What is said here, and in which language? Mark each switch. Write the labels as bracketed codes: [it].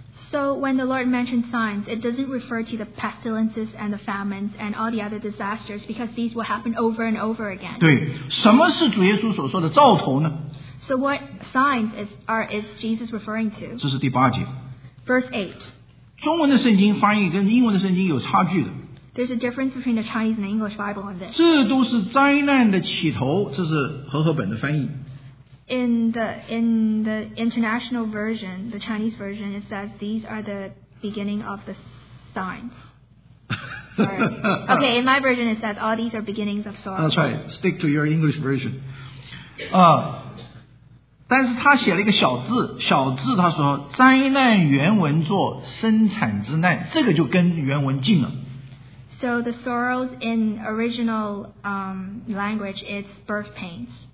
[en] So when the Lord mentioned signs, it doesn't refer to the pestilences and the famines and all the other disasters because these will happen over and over again. [zh] 对，什么是主耶稣所说的兆头呢？ [en] So what signs is Jesus referring to? [zh] 这是第八节。 [en] Verse 8. [zh] 中文的圣经翻译跟英文的圣经有差距的。 [en] There's a difference between the Chinese and the English Bible on this. [zh] 这都是灾难的起头，这是和合本的翻译。 [en] In the international version, the Chinese version, it says these are the beginning of the signs. Okay, in my version it says all these are beginnings of sorrow. That's right. Stick to your English version. [zh] 但是他写了一个小字，他说 灾难原文作生产之难， 这个就跟原文近了。 [en] So the sorrows in original language, it's birth pains.